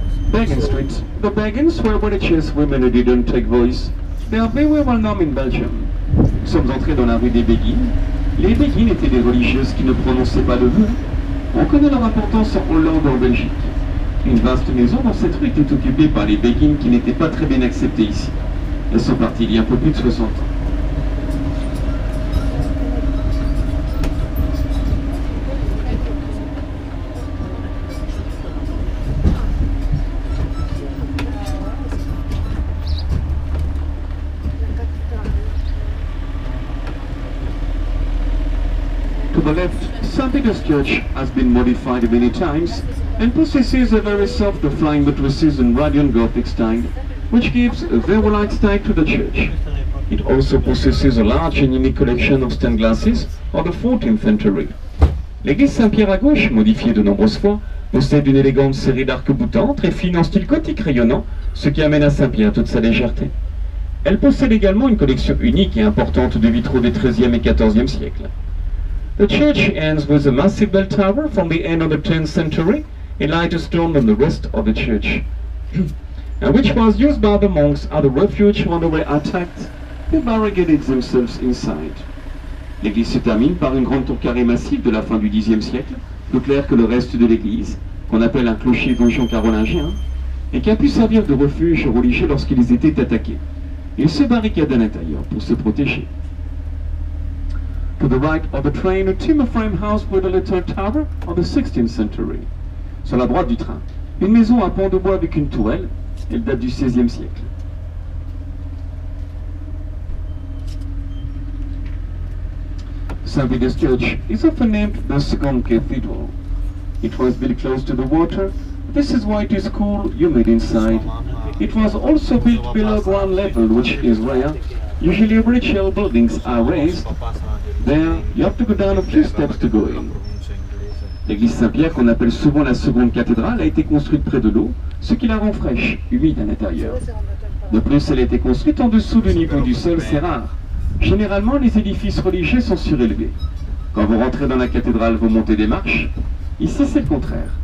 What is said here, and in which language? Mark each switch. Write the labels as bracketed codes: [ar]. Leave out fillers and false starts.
[en] The Beggins were religious women who didn't take voice. They are very well known in Belgium. [fr] Nous sommes entrés dans la rue des Beggins. Les Beggins étaient des religieuses qui ne prononçaient pas de vœux. On connaît leur importance en Hollande en Belgique. Une vaste maison dans cette rue était occupée par les Beggins qui n'étaient pas très bien acceptées ici. Elles sont parties il y a un peu plus de 60 ans. [en] the left, Saint Peter's Church has been modified many times and possesses a very soft flying buttresses and Radiant Gothic style, which gives a very light style to the church. It also possesses a large and unique collection of stained glasses of the 14th century. [fr] L'église Saint-Pierre à gauche, modifiée de nombreuses fois, possède une élégante série d'arcs-boutants très fines en style gothique rayonnant, ce qui amène à Saint-Pierre toute sa légèreté. Elle possède également une collection unique et importante de vitraux des XIIIe et XIVe siècles. [en] The church ends with a massive bell tower from the end of the 10th century, a lighter stone than the rest of the church, and which was used by the monks as the refuge when they were attacked. They barricaded themselves inside. [fr] L'église se termine par une grande tour carrée massive de la fin du Xe siècle, plus claire que le reste de l'église, qu'on appelle un clocher donjon carolingien, et qui a pu servir de refuge aux religieux lorsqu'ils étaient attaqués. Ils se barricadent à l'intérieur pour se protéger. [en] To the right of the train, a timber frame house with a little tower of the 16th century. [fr] Sur la droite du train, une maison à pont de bois avec une tourelle, elle date du XVIe siècle. [en] Saint Peter's Church is often named the second cathedral. It was built close to the water. This is why it is cool, humid inside. It was also built below ground level, which is rare. Usually bridge hill buildings are raised. There, you have to go down a few steps to go in. [fr] L'église Saint-Pierre, qu'on appelle souvent la seconde cathédrale, a été construite près de l'eau, ce qui la rend fraîche, humide à l'intérieur. De plus, elle a été construite en dessous du niveau du sol, c'est rare. Généralement, les édifices religieux sont surélevés. Quand vous rentrez dans la cathédrale, vous montez des marches. Ici, c'est le contraire.